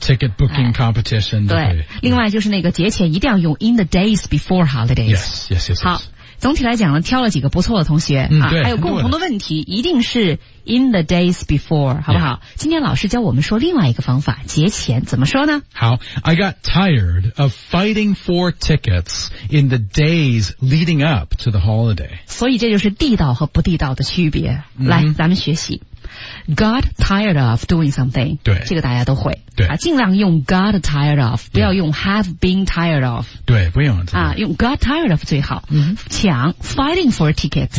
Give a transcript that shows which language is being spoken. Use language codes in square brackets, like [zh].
[en] Ticket booking competition. [zh] 对。 [en] Yeah. [zh] 另外就是那个节前一定要用 [en] in the days before holidays. Yes, yes, yes. [zh] 好。总体来讲呢挑了几个不错的同学、对还有共同的问题一定是 [en] in the days before, [zh] 好不好、 [en] yeah. [zh] 今天老师教我们说另外一个方法节前怎么说呢 [en] 好 ,I got tired of fighting for tickets in the days leading up to the holiday. [zh] 所以这就是地道和不地道的区别。来、咱们学习。 [en] Got tired of doing something. [zh] 对。这个大家都会。对。啊、尽量用 [en] got tired of, [zh] 不要用 [en] have been tired of. [zh] 对不用。啊用 [en] got tired of [zh] 最好。嗯。 [en] 抢 fighting for tickets.